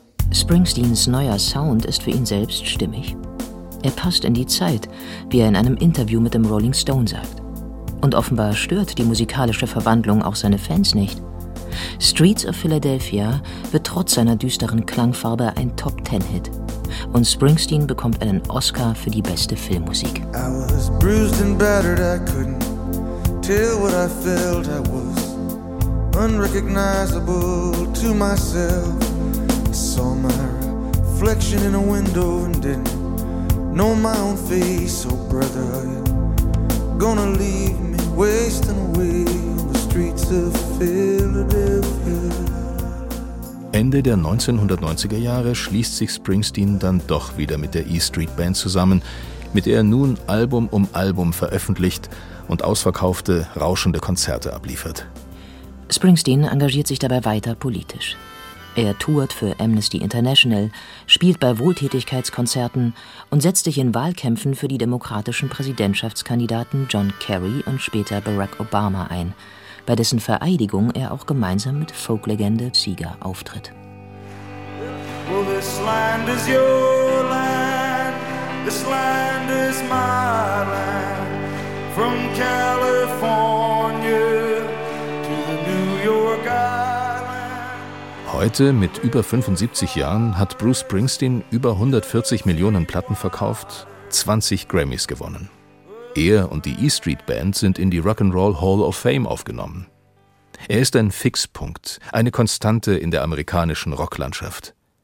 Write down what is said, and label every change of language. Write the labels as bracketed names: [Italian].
[German] Springsteens neuer Sound ist für ihn selbst stimmig. Er passt in die Zeit, wie er in einem Interview mit dem Rolling Stone sagt. Und offenbar stört die musikalische Verwandlung auch seine Fans nicht. Streets of Philadelphia wird trotz seiner düsteren Klangfarbe ein Top-10-Hit. Und Springsteen bekommt einen Oscar für die beste Filmmusik. [English] I was bruised and battered, I couldn't tell what I felt. I was unrecognizable to myself. I saw my reflection in a window and didn't know my own face. Oh brother, are you gonna leave me wasting away on the streets of Philadelphia? [German] Ende der 1990er Jahre schließt sich Springsteen dann doch wieder mit der E Street Band zusammen, mit der er nun Album um Album veröffentlicht und ausverkaufte, rauschende Konzerte abliefert. Springsteen engagiert sich dabei weiter politisch. Er tourt für Amnesty International, spielt bei Wohltätigkeitskonzerten und setzt sich in Wahlkämpfen für die demokratischen Präsidentschaftskandidaten John Kerry und später Barack Obama ein, bei dessen Vereidigung er auch gemeinsam mit Folklegende Seeger auftritt. [English] Well, this land is your land, this land is my land, from California to the New York Island. [German] Heute, mit über 75 Jahren, hat Bruce Springsteen über 140 Millionen Platten verkauft, 20 Grammys gewonnen. Er und die E Street Band sind in die Rock'n'Roll Hall of Fame aufgenommen. Er ist ein Fixpunkt, eine Konstante in der amerikanischen Rocklandschaft.